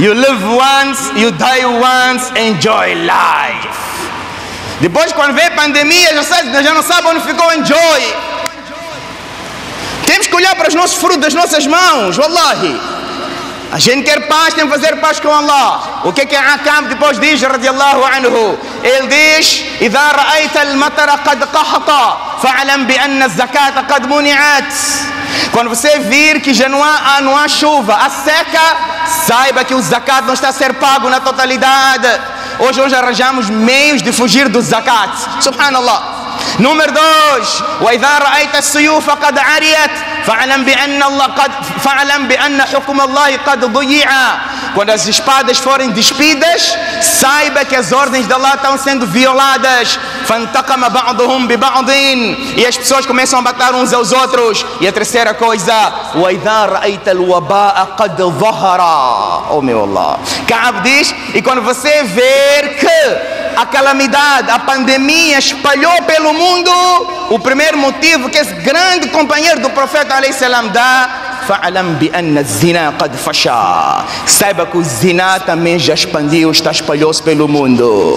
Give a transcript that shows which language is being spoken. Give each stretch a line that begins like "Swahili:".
English: You live once, you die once, enjoy life.
Portuguese: Depois quando vem a pandemia, já não sabe onde ficou, enjoy. Temos que olhar para os nossos frutos das nossas mãos, wallahi. A gente quer paz, tem que fazer paz com Allah. O que é que Akam depois diz, radiallahu anhu? Ele diz,
Arabic: إِذَا رَأَيْتَ الْمَطَرَ قَدْ قَحَطَ فَعَلَمْ بِأَنَّ الزَّكَاةَ قَدْ مُنِعَتْ.
Portuguese: Quando você vir que já não há chuva, a seca, saiba que o zakat não está a ser pago na totalidade. Hoje arranjamos meios de fugir do zakat. Subhanallah. Número 2.
Arabic: وَإِذَا رَأَيْتَ السُّيُوفَ قَدْ عَرِيَتْ فَعَلَمْ بِأَنَّ حُكُمَ اللَّهِ قَدْ ضُيِّعَ.
Portuguese: Quando as espadas forem despidas, saiba que as ordens de Allah estão sendo violadas.
Arabic: فَانْتَقَمَ بَعْضُهُمْ بِبَعْضٍ.
Portuguese: E as pessoas começam a matar uns aos outros. E a terceira coisa,
Arabic: وَإِذَا رَأَيْتَ الْوَبَاءَ قَدْ ظَهَرَ.
Portuguese: Oh meu Allah. Ka'ab diz, e quando você ver que a calamidade, a pandemia espalhou pelo mundo, o primeiro motivo que esse grande companheiro do profeta alaihi salam dá,
Arabic: fa'lam bi anna zina qad fasha.
Portuguese: Saiba que o zina também já expandiu, está espalhoso pelo mundo.